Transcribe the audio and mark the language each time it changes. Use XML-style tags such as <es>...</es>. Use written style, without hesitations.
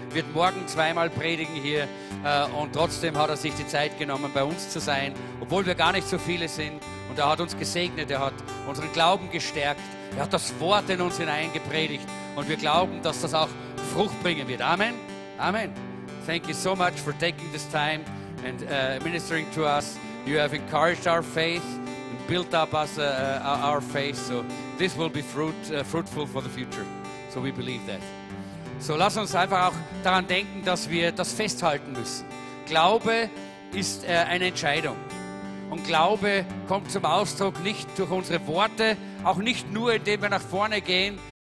<de>Wird morgen zweimal predigen hier. Und trotzdem hat er sich die Zeit genommen, bei uns zu sein, obwohl wir gar nicht so viele sind. Und er hat uns gesegnet. Er hat unseren Glauben gestärkt. Er hat das Wort in uns hineingepredigt. Und wir glauben, dass das auch Frucht bringen wird. Amen. Amen.</de> <en>Thank you so much for taking this time and ministering to us. You have encouraged our faith and built up us our faith. So this will be fruitful for the future. So we believe that.</en> <de>So lass uns einfach auch daran denken, dass wir das festhalten müssen. Glaube ist eine Entscheidung. Und Glaube kommt zum Ausdruck nicht durch unsere Worte, auch nicht nur, indem wir nach vorne gehen,</de>